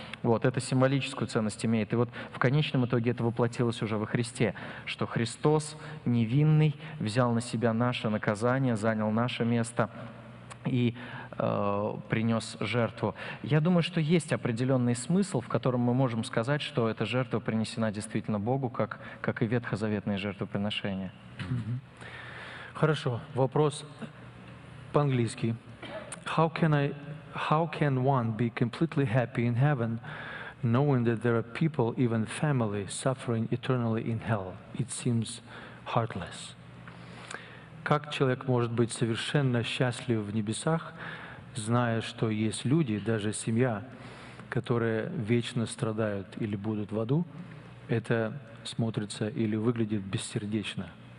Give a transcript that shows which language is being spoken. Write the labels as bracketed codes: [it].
[ru] Вот, это символическую ценность имеет. И вот в конечном итоге это воплотилось уже во Христе, что Христос невинный взял на себя наше наказание, занял наше место и принес жертву. Я думаю, что есть определенный смысл, в котором мы можем сказать, что эта жертва принесена действительно Богу, как и ветхозаветные жертвоприношения. Хорошо. Вопрос по-английски. [en] How can one be completely happy in heaven, knowing that there are people, even family, suffering eternally in hell? It seems heartless. [ru] Как человек может быть совершенно счастлив в небесах, зная, что есть люди, даже семья, которые вечно страдают или будут в аду? Это смотрится или выглядит бессердечно.